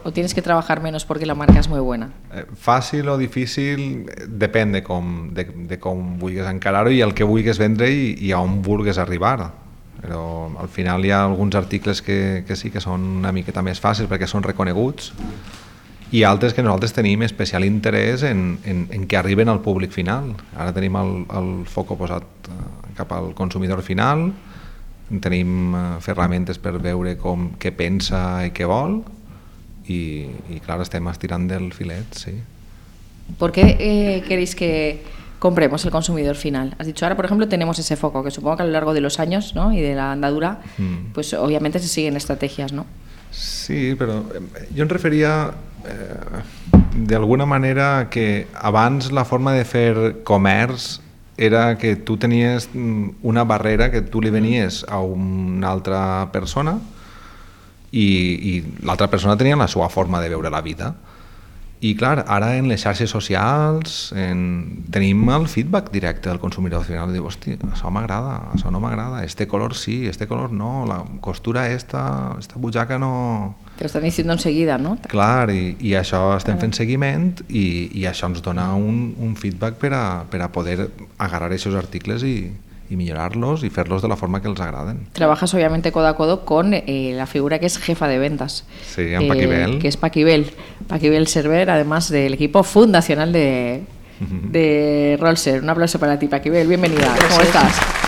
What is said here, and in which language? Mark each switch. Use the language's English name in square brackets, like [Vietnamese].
[Spanish] ¿O tienes que trabajar menos porque la marca es muy buena? [Catalan] Fàcil o difícil, depèn de com vulguis encarar-ho i el que vulguis vendre i a on vulguis arribar. Però al final hi ha alguns articles que sí que són una miqueta més fàcils perquè són reconeguts i altres que nosaltres tenim especial interès en que arriben al públic final. Ara tenim el foc posat cap al consumidor final, tenim ferramentes per veure com què pensa i què vol i clar, estem estirant del filet, sí. [Spanish] ¿Por qué queréis que compremos el consumidor final? Has dicho, ahora, por ejemplo, tenemos ese foco, que supongo que a lo largo de los años, ¿no?, y de la andadura, pues obviamente se siguen estrategias, ¿no? Sí, pero yo me refería de alguna manera que [Catalan] abans la forma de fer comerç era que tu tenies una barrera que tu li venies a una altra persona i l'altra persona tenia la seva forma de veure la vida. I clar, ara en les xarxes socials tenim el feedback directe del consumidor final. Diu, hòstia, això m'agrada, això no m'agrada, este color sí, este color no, la costura esta butxaca no... [Spanish] Te lo están diciendo enseguida, ¿no? [Catalan] Clar, i això estem fent seguiment i això ens dona un feedback per a poder agarrar aquests articles [Spanish] y millorarlos y hacerlos de la forma que les agraden. Trabajas obviamente codo a codo con la figura que es jefa de ventas. Sí, en Paquibel. Que es Paquibel. Paquibel Server, además del equipo fundacional de Rolser. Un aplauso para ti, Paquibel. Bienvenida. Gracias. ¿Cómo estás?